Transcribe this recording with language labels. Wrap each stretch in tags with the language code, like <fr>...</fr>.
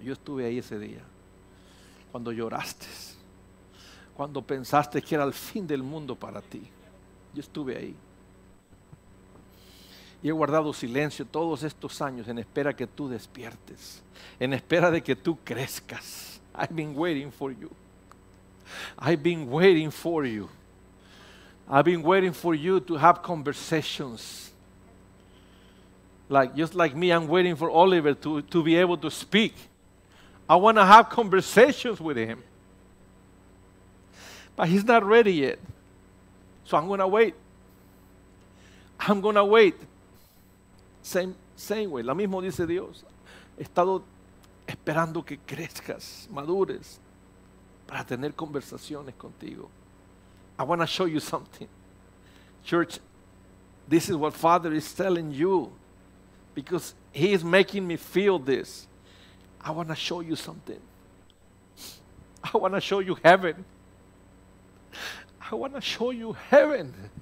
<es>Yo estuve ahí ese día, cuando lloraste, cuando pensaste que era el fin del mundo para ti. Yo estuve ahí. Y he guardado silencio todos estos años en espera que tú despiertes, en espera de que tú crezcas.</es> <en>I've been waiting for you. I've been waiting for you. I've been waiting for you to have conversations. Like, just like me, I'm waiting for Oliver to be able to speak. I want to have conversations with him. But he's not ready yet. So I'm going to wait. I'm going to wait. Same way,</en> <es>lo mismo dice Dios. He estado esperando que crezcas, madures, para tener conversaciones contigo.</es> <en>I want to show you something. Church, this is what Father is telling you. Because he is making me feel this. I want to show you something. I want to show you heaven. I want to show you heaven.</en>